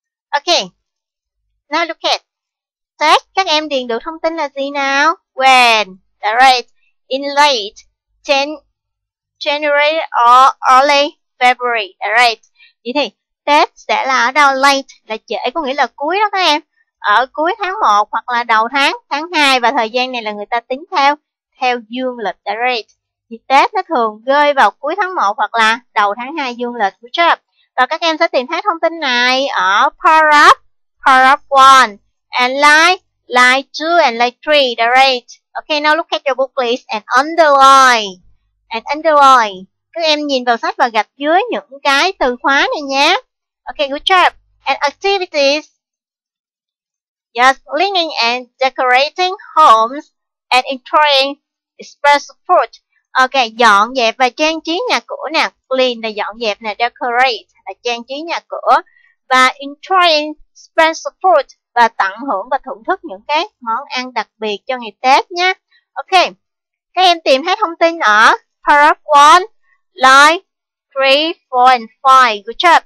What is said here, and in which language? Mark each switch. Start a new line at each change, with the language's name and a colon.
English: Ok, now look at.
Vietnamese: Tết, các em điền được thông tin là gì nào?
English: When, right, in late January or early February, right.
Vietnamese: Vậy thì Tết sẽ là ở đâu? Late là trễ, có nghĩa là cuối đó các em. Ở cuối tháng 1 hoặc là đầu tháng 2, và thời gian này là người ta tính theo dương lịch,
English: right.
Vietnamese: Thì Tết nó thường rơi vào cuối tháng 1 hoặc là đầu tháng 2 dương lịch, đúng chưa? Và các em sẽ tìm thấy thông tin này ở paragraph 1.
English: And line 2 and line 3, the right. Okay, now look at your book please and underline.
Vietnamese: Các em nhìn vào sách và gạch dưới những cái từ khóa này nhé.
English: Okay, good job. And activities. Yes, cleaning and decorating homes and enjoying express food.
Vietnamese: Okay, dọn dẹp và trang trí nhà cửa nè. Clean là dọn dẹp nè, decorate là trang trí nhà cửa. Và
English: enjoying express food
Vietnamese: và tận hưởng và thưởng thức những cái món ăn đặc biệt cho ngày Tết nhé. Ok, các em tìm thấy thông tin ở paragraph 1,
English: line 3, 4 and 5. Good job.